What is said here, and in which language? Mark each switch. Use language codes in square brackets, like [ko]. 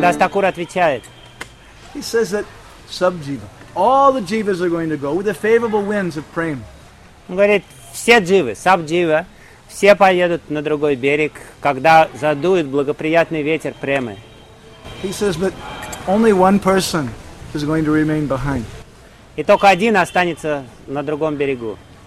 [ru] Das Thakur отвечает. [en] He says that subjiva, all the jivas are going to go with the favorable winds of prema. [ru] Он говорит, все дживы, сабдживы, все поедут на другой берег, когда задует благоприятный ветер премы. [en] He says, but only one person is going to remain behind. [ru] И только один останется на другом берегу.